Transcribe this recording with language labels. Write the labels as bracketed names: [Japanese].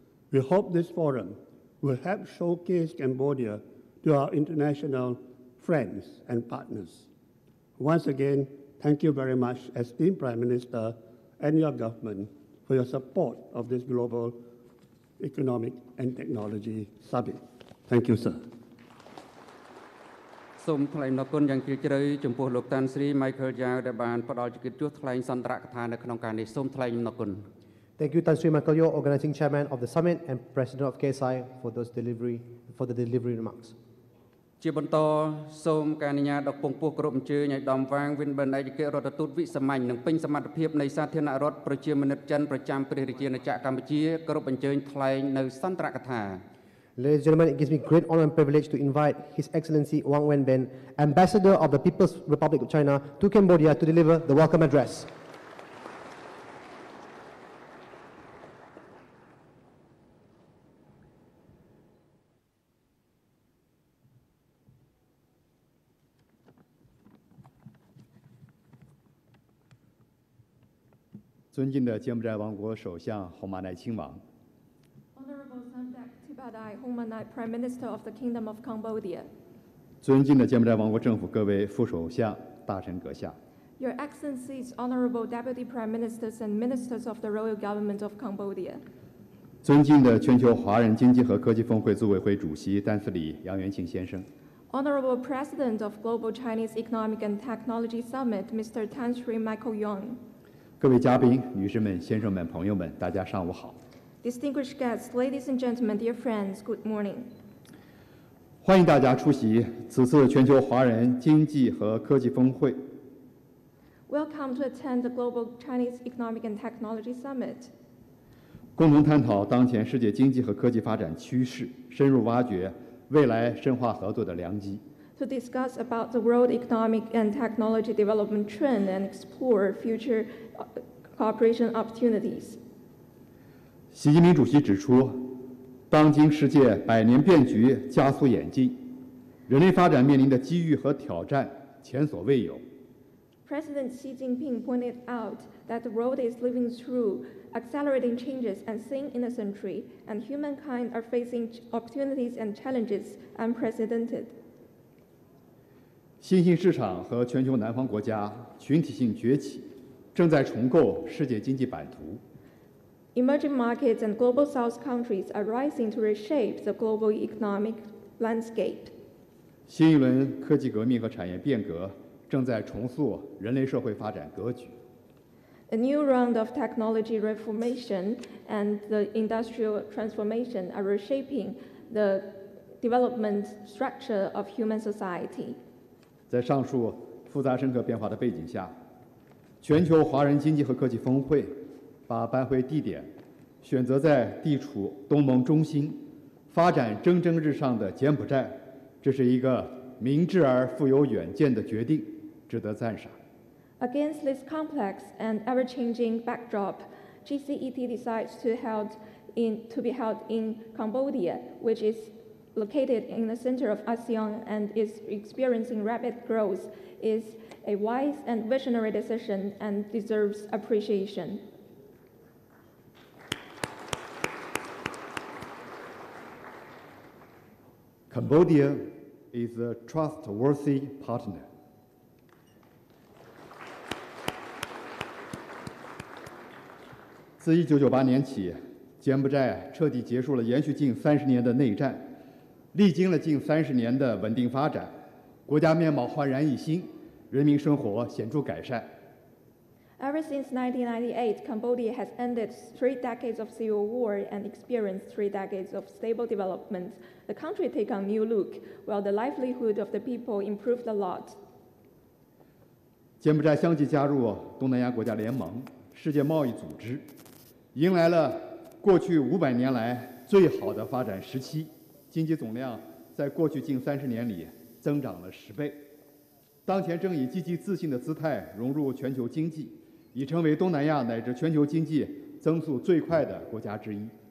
[English] We hope this forum will help showcase Cambodia to our international friends and partners. Once again, thank you very much, esteemed Prime Minister and your government, for your support of this Global Economic and Technology Summit. Thank you, sir. [Khmer] សូមថ្លែងអរគុណយ៉ាងជ្រាលជ្រៅចំពោះលោកតាន់ស្រី Michael Yao ដែលបានផ្ដល់ជំនួយថ្លែងសន្ទរកថានៅក្នុងការនេះសូមថ្លែងអរគុណ [English] Thank you Tan Sri Michael Yao organizing chairman of the summit and president of KSI for those delivery for the delivery remarks [Khmer] ជាបន្តសូមការអនុញ្ញាតដល់ពងពោះគ្រប់អញ្ជើញឲ្យដំវាងវិនបណ្ឌិតឯកទេសរដ្ឋទូតវិសាមញ្ញនិងពេញសមត្ថភាពនៃសាធារណរដ្ឋប្រជាមានិតចិនប្រចាំព្រះរាជាណាចក្រកម្ពុជាគ្រប់អញ្ជើញថ្លែងនៅសន្ទរកថា [English] Ladies and gentlemen, it gives me great honor and privilege to invite His Excellency Wang Wenbin, Ambassador of the People's Republic of China, to Cambodia to deliver the welcome address. Honorable Samdak Thubadai, Prime Minister of the Kingdom of Cambodia. [Chinese] 尊敬的柬埔寨王国政府各位副首相、大臣阁下。 [English] Your Excellencies, Honorable Deputy Prime Ministers and Ministers of the Royal Government of Cambodia. [Chinese] 尊敬的全球华人经济和科技峰会组委会主席丹斯里杨元庆先生。 [English] Honorable President of Global Chinese Economic and Technology Summit, Mr. Tan Sri Michael Yong. [Chinese] 各位嘉宾、女士们、先生们、朋友们，大家上午好。 [English] Distinguished guests, ladies and gentlemen, dear friends, good morning. [Chinese] 欢迎大家出席此次全球华人经济和科技峰会。 [English] Welcome to attend the Global Chinese Economic and Technology Summit. [Chinese] 共同探讨当前世界经济和科技发展趋势，深入挖掘未来深化合作的良机。 [English] To discuss about the world economic and technology development trend and explore future cooperation opportunities. [Chinese] 习近平主席指出，当今世界百年变局加速演进，人类发展面临的机遇和挑战前所未有。 [English] President Xi Jinping pointed out that the world is living through accelerating changes and seen in a century, and humankind are facing opportunities and challenges unprecedented. [Chinese] 新兴市场和全球南方国家群体性崛起，正在重构世界经济版图。 [English] Emerging markets and global south countries are rising to reshape the global economic landscape. [Chinese] 新一轮科技革命和产业变革正在重塑人类社会发展格局。 [English] A new round of technology reformation and the industrial transformation are reshaping the development structure of human society. [Chinese] 在上述复杂深刻变化的背景下，全球华人经济和科技峰会把颁会地点选择在地处东盟中心、发展蒸蒸日上的柬埔寨，这是一个明智而富有远见的决定，值得赞赏。 [English] Against this complex and ever-changing backdrop, GCET decides to be held in Cambodia, which is. Located in the center of ASEAN and is experiencing rapid growth, is a wise and visionary decision and deserves appreciation. Cambodia is a trustworthy partner. Since [Chinese] 1998起，柬埔寨彻底结束了延续近30年的内战。历经了近30年的稳定发展，国家面貌焕然一新，人民生活显著改善。 [English] Ever since 1998, Cambodia has ended 3 decades of civil war and experienced 3 decades of stable development. The country took on new look, while the livelihood of the people improved a lot. [Chinese] 柬埔寨相继加入东南亚国家联盟、世界贸易组织，迎来了过去500年来最好的发展时期。经济总量在过去近30年里增长了10倍，当前正以积极自信的姿态融入全球经济，已成为东南亚乃至全球经济增速最快的国家之一。